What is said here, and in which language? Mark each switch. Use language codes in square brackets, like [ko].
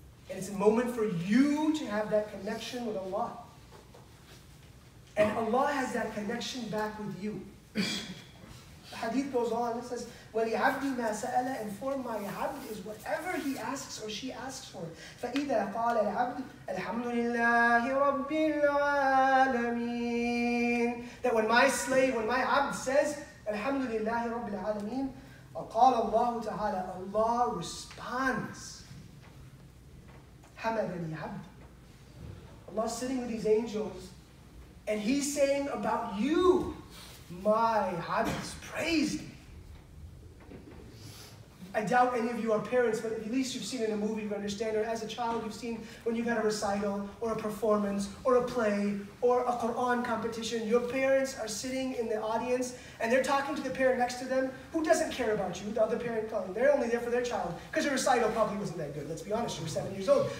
[en] And it's a moment for you to have that connection with Allah. And Allah has that connection back with you. The hadith goes on, it says, [ar] وَلِعَبْدِ مَا سَأَلَ, [en] and for my abd is whatever he asks or she asks for. [ar] فَإِذَا قَالَ الْعَبْدِ الْحَمْدُ لِلَّهِ رَبِّ الْعَالَمِينَ, [en] that when my slave, when my abd says, [ar] الْحَمْدُ لِلَّهِ رَبِّ الْعَالَمِينَ, قَالَ اللَّهُ تَعَالَى, [en] Allah responds, [ar] حَمَدَنِي عَبْدِ. [en] Allah's sitting with these angels, and he's saying about you, my abd is praised. I doubt any of you are parents, but at least you've seen in a movie, you understand, or as a child you've seen when you've had a recital, or a performance, or a play, or a Quran competition, your parents are sitting in the audience, and they're talking to the parent next to them, who doesn't care about you, the other parent, they're only there for their child, because your recital probably wasn't that good, let's be honest, you were 7 years old.